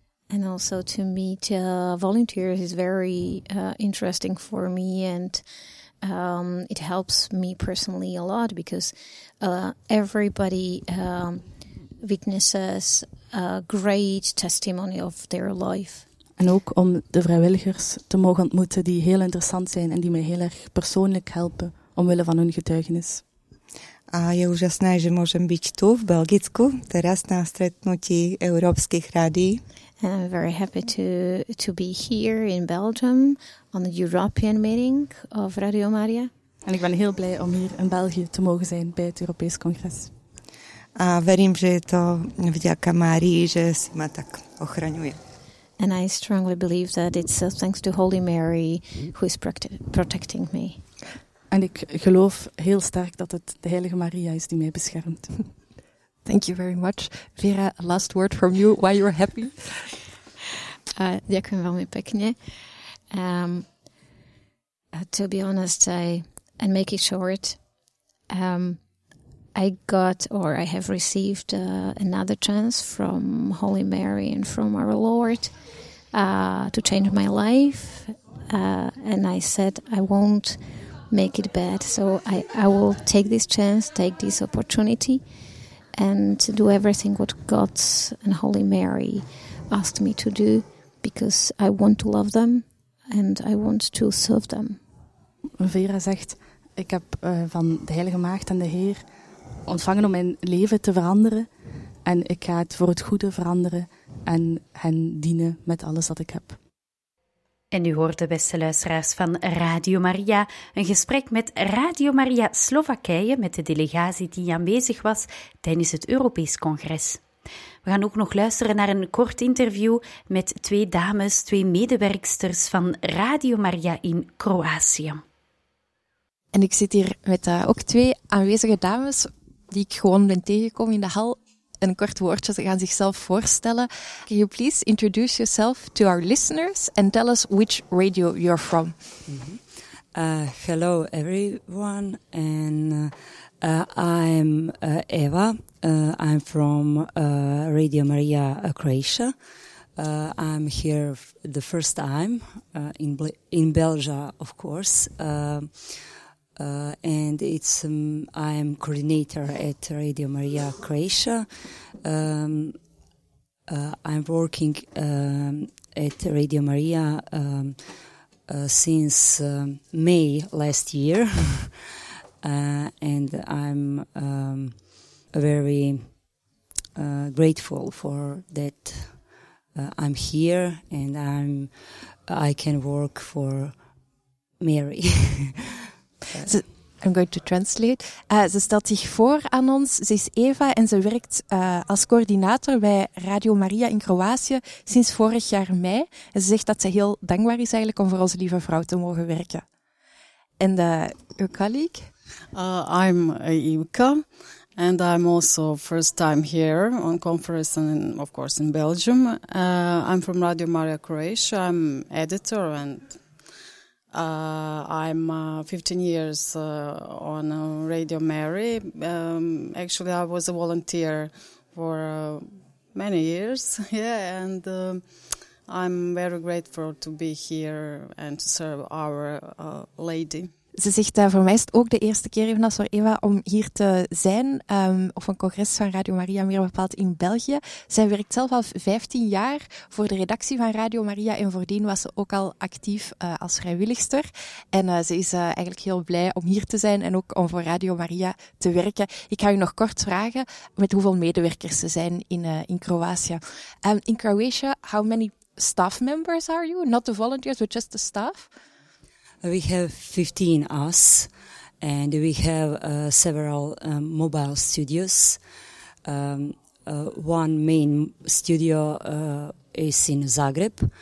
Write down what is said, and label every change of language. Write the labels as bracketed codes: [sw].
[en] And also to meet volunteers is very interesting for me and it helps me personally a lot because everybody witnesses a great testimony of their life. [nl] En ook om de vrijwilligers te mogen ontmoeten die heel interessant zijn en die mij heel erg persoonlijk helpen omwille van hun getuigenis. [sk] A je úžasné, že môžem byť tu v Belgicku, teraz na stretnutí európskych rádií. [en] And I'm very happy to be here in Belgium on the European meeting of Radio Maria. [nl] En ik ben heel blij om hier in België te mogen zijn bij het Europees Congres. [sk] A verím, že je to vďaka Márii, že si ma tak ochraňuje. [en] And I strongly believe that it's thanks to Holy Mary who is protecting me. [nl] En ik geloof heel sterk dat het de Heilige Maria is die mij beschermt. [en] Thank you very much. Vera, last word from you, why you're happy. [sk] Ďakujem veľmi pekne. [en] To be honest, and make it short, I got or I have received another chance from Holy Mary and from our Lord to change my life. And I said, I won't make it bad. So I will take this chance, take this opportunity and do everything what God and Holy Mary asked me to do because I want to love them and I want to serve them. [nl] Vera zegt, ik heb van de Heilige Maagd en de Heer ontvangen om mijn leven te veranderen en ik ga het voor het goede veranderen en hen dienen met alles dat ik heb. En u hoort de beste luisteraars van Radio Maria een gesprek met Radio Maria Slowakije met de delegatie die aanwezig was tijdens het Europees Congres. We gaan ook nog luisteren naar een kort interview met twee dames, twee medewerksters van Radio Maria in Kroatië. En ik zit hier met ook twee aanwezige dames die ik gewoon ben tegengekomen in de hal. Een kort woordje, ze gaan zichzelf voorstellen. [en] Can you please introduce yourself to our listeners and tell us which radio you're from? Hello everyone, and I'm Eva. I'm from Radio Maria, Croatia. I'm here the first time in Belgium, of course. And it's I am coordinator at Radio Maria Croatia. I'm working at Radio Maria since May last year, and I'm very grateful for that. I'm here, and I can work for Mary. I'm going to translate. [nl] Ze stelt zich voor aan ons. Ze is Eva en ze werkt als coördinator bij Radio Maria in Kroatië sinds vorig jaar mei. En ze zegt dat ze heel dankbaar is eigenlijk om voor onze lieve vrouw te mogen werken. En uw colleague? [en] I'm Iwka and I'm also first time here on conference and of course in Belgium. I'm from Radio Maria Croatia. I'm editor and I'm 15 years on Radio Mary. Actually, I was a volunteer for many years. Yeah, and I'm very grateful to be here and to serve our lady. [nl] Ze zegt, voor mij is het ook de eerste keer, evenals voor Eva, om hier te zijn op een congres van Radio Maria, meer bepaald in België. Zij werkt zelf al 15 jaar voor de redactie van Radio Maria en voordien was ze ook al actief als vrijwilligster. En ze is eigenlijk heel blij om hier te zijn en ook om voor Radio Maria te werken. Ik ga u nog kort vragen met hoeveel medewerkers ze zijn in Kroatië. [en] In Croatia, how many staff members are you? Not the volunteers, but just the staff? We have 15 us, and we have several mobile studios. One main studio is in Zagreb.